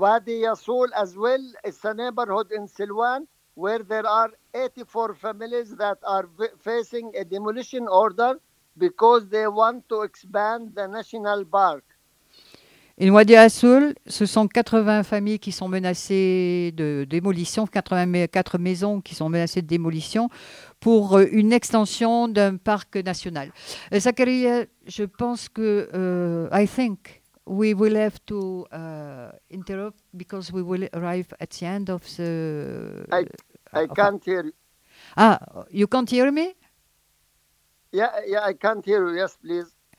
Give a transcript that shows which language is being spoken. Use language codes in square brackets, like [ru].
[en] Wadi Yasoul as well is a neighborhood in Silouane where there are 84 families that are facing a demolition order because they want to expand the national park. [fr] In Wadi Yasoul, ce sont 80 familles qui sont menacées de démolition, 84 maisons qui sont menacées de démolition pour une extension d'un parc national. [en] Zakaria, [fr] je pense que [en] I think we will have to interrupt because we will arrive at the end of the... I can't hear you. Ah, you can't hear me? Yeah, I can't hear you. Yes, please.